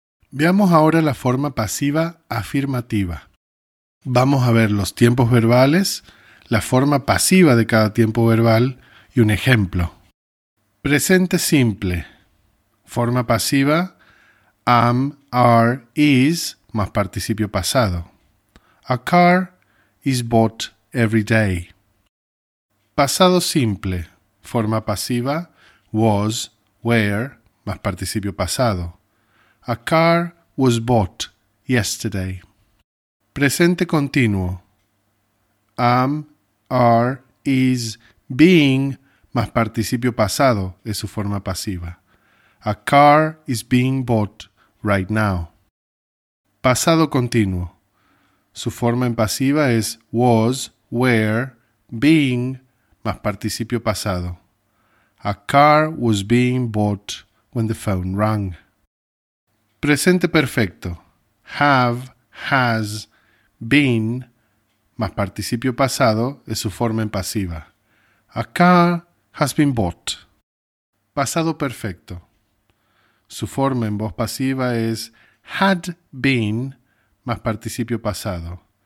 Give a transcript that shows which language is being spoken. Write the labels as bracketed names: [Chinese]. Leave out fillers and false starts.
[Spanish] Veamos ahora la forma pasiva afirmativa. Vamos a ver los tiempos verbales, la forma pasiva de cada tiempo verbal y un ejemplo. Presente simple. Forma pasiva, am, are, is, más participio pasado. [English] A car is bought every day. [Spanish] Pasado simple. Forma pasiva, was, were, más participio pasado. [English] A car was bought yesterday. [Spanish] Presente continuo. Am, are, is, being, más participio pasado, es su forma pasiva. [English] A car is being bought right now. [Spanish] Pasado continuo. Su forma en pasiva es was, were, being, más participio pasado. [English] A car was being bought when the phone rang. [Spanish] Presente perfecto. Have, has, been, más participio pasado, es su forma en pasiva. [English] A car has been bought. [Spanish] Pasado perfecto. Su forma en voz pasiva es had been, más participio pasado.